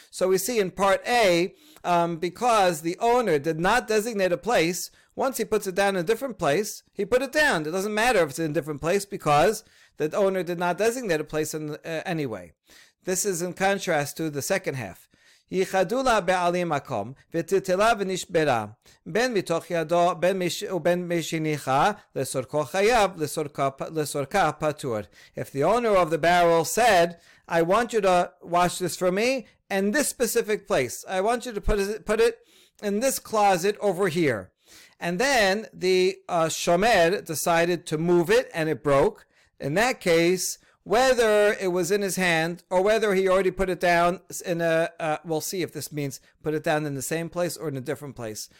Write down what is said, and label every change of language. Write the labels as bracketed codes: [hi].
[en] So we see in part A, because the owner did not designate a place, once he puts it down in a different place, he put it down. It doesn't matter if it's in a different place because the owner did not designate a place anyway. This is in contrast to the second half. [he] ייחדו לה בעלים מקום, וטלטלה ונשברה, בין מתוך ידו ובין משניחה, לסורקו חייב, לסורקה פטור. [en] If the owner of the barrel said, I want you to wash this for me in this specific place, I want you to put it in this closet over here. And then the shomer decided to move it and it broke. In that case, whether it was in his hand or whether he already put it down in a, we'll see if this means put it down in the same place or in a different place.